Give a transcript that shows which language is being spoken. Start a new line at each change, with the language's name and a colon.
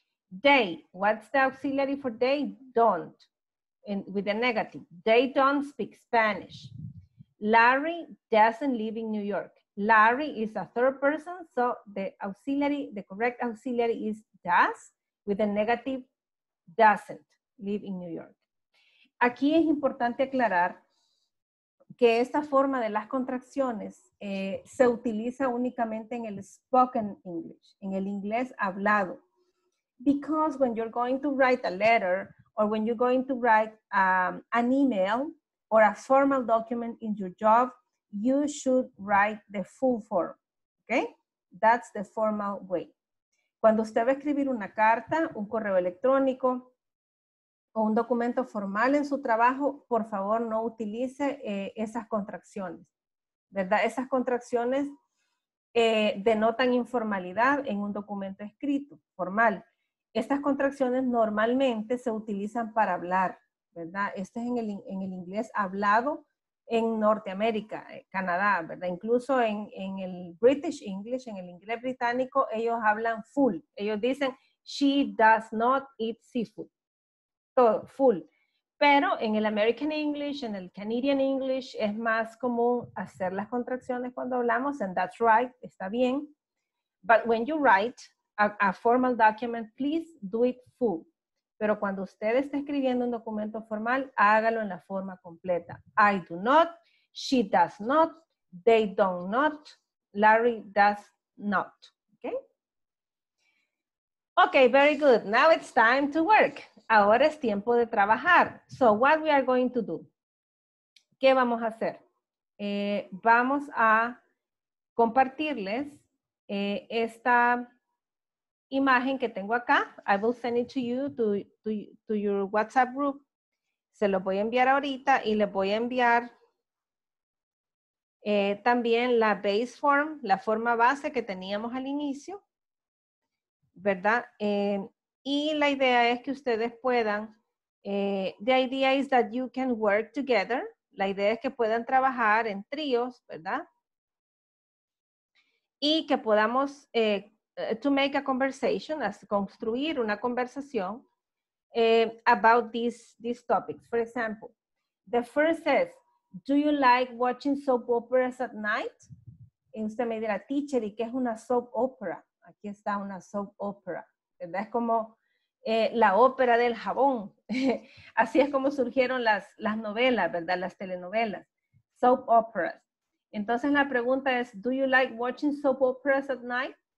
English: They, what's the auxiliary for they? Don't, with the negative. They don't speak Spanish. Larry doesn't live in New York. Larry is a third person, so the correct auxiliary is does, with a negative, doesn't live in New York.
Spanish: Aquí es importante aclarar que esta forma de las contracciones se utiliza únicamente en el spoken English, en el inglés hablado.
English: Because when you're going to write a letter, or when you're going to write an email, or a formal document in your job, you should write the full form, okay? That's the formal way.
Spanish: Cuando usted va a escribir una carta, un correo electrónico o un documento formal en su trabajo, por favor no utilice esas contracciones, ¿verdad? Esas contracciones denotan informalidad en un documento escrito, formal. Estas contracciones normalmente se utilizan para hablar, ¿verdad? Este es en el inglés hablado en Norteamérica, Canadá, ¿verdad? Incluso en el British English, en el inglés británico, ellos hablan full. Ellos dicen,
English: she does not eat seafood.
Spanish: Todo, full. Pero en el American English, en el Canadian English, es más común hacer las contracciones cuando hablamos,
English: and that's right,
Spanish: está bien.
English: But when you write a formal document, please do it full.
Spanish: Pero cuando usted está escribiendo un documento formal, hágalo en la forma completa.
English: I do not, she does not, they don't not, Larry does not. Okay? Okay, very good. Now it's time to work.
Spanish: Ahora es tiempo de trabajar.
English: So what we are going to do?
Spanish: ¿Qué vamos a hacer? Vamos a compartirles esta imagen que tengo acá.
English: I will send it to you to your WhatsApp group.
Spanish: Se lo voy a enviar ahorita y le voy a enviar también la base form, la forma base que teníamos al inicio, ¿verdad? Y la idea es que ustedes puedan,
English: the idea is that you can work together.
Spanish: La idea es que puedan trabajar en tríos, ¿verdad? Y que podamos
English: to make a conversation, as
Spanish: construir una conversación
English: about these topics. For example, the first says, do you like watching soap operas at night?
Spanish: Y usted me dirá, teacher, ¿y qué es una soap opera? Aquí está una soap opera, ¿verdad? Es como la ópera del jabón. Así es como surgieron las novelas, ¿verdad? Las telenovelas, soap operas. Entonces la pregunta es,
English: do you like watching soap operas at night?